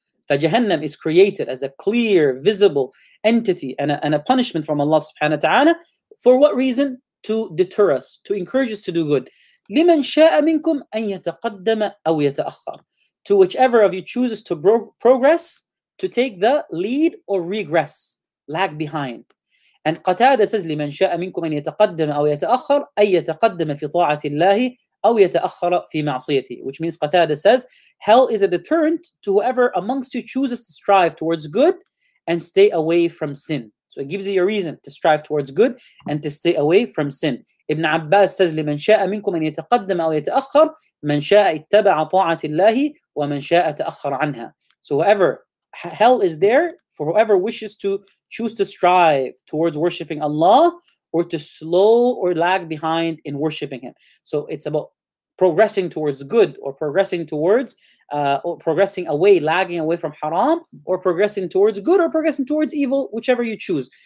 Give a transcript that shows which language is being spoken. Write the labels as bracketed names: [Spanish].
[English] فجهنم is created as a clear, visible entity and a punishment from Allah subhanahu wa ta'ala. For what reason? To deter us, to encourage us to do good. [Arabic] لِمَنْ شَاءَ مِنْكُمْ أَنْ يَتَقَدَّمَ أَوْ يَتَأَخَّرَ. [English] To whichever of you chooses to progress, to take the lead or regress, lag behind. And Qatada says, [Arabic] لِمَنْ شَاءَ مِنْكُمْ أَنْ يَتَقَدَّمَ أَوْ يَتَأَخَّرَ أَنْ يَتَقَدَّمَ فِي طَاعَةِ اللَّهِ أَوْ يَتَأَخَّرَ فِي مَعْصِيَتِهِ. [English] Which means Qatada says, hell is a deterrent to whoever amongst you chooses to strive towards good and stay away from sin. So it gives you a reason to strive towards good and to stay away from sin. Ibn Abbas says, [Arabic] لِمَنْ شَاءَ مِنْكُمْ أَنْ يَتَقَدَّمَ أَوْ يَتَأَخَّرَ مَنْ شَاءَ اتَّبَعَ طَاعَةِ اللَّهِ وَمَنْ شَاءَ تَأَخَّرَ عَنْهَا. [English] So whoever, hell is there for whoever wishes to choose to strive towards worshipping Allah or to slow or lag behind in worshipping Him. So it's about progressing towards good or progressing towards progressing away, lagging away from haram, or progressing towards good or progressing towards evil, whichever you choose.